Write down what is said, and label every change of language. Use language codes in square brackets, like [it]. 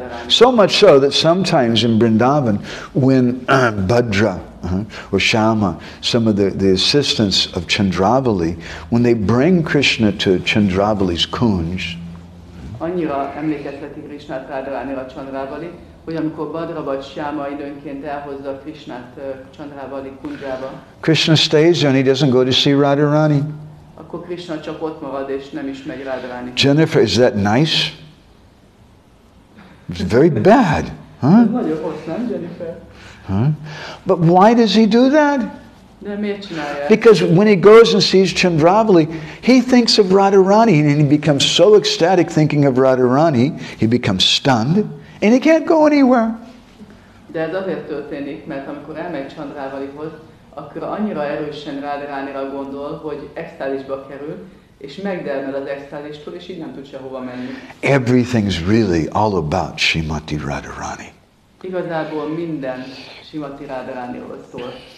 [en] So much so that sometimes in Vrindavan, when Bhadra or Shama, some of the assistants of Chandravali, when they bring Krishna to Chandravali's kunj, [hu] annyira emlékezteti Krishnát Radharanira Chandravali, hogy amikor Badra vagy Shyama időnként elhozza Krishnát Chandravali kunjába. [en] Krishna stays and he doesn't go to see Radharani. [hu] Akkor Krishna csak ott marad és nem is megy Radharani. [en] Jennifer, is that nice? It's very bad, huh? [hu] Nagyon rossz, nem, Jennifer? [en] Huh? But why does he do that? [hu] De miért csinálja? [en] Because when he goes and sees Chandravali, he thinks of Radharani and he becomes so ecstatic thinking of Radharani, he becomes stunned. And he can't go anywhere. [hu] De ez azért történik, mert amikor elmegy Chandravalihoz, akkor annyira erősen Radharanira gondol, hogy extázisba kerül, és megdermel az extázistól, és így nem tud sehova menni. [en] Everything's really all about Srimati Radharani. [hu] Igazából minden Srimati Radharaniról szól.